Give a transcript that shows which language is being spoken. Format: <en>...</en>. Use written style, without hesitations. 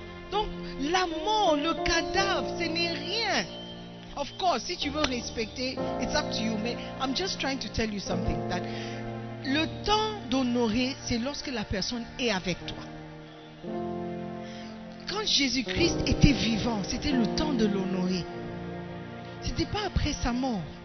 <fr>Donc, la mort, le cadavre, ce n'est rien.</fr> <en>Of course,</en> <fr>si tu veux respecter,</fr> <en>it's up to you. But I'm just trying to tell you something. That</en> <fr>le temps d'honorer, c'est lorsque la personne est avec toi. Quand Jésus-Christ était vivant, c'était le temps de l'honorer. Ce n'était pas après sa mort.</fr>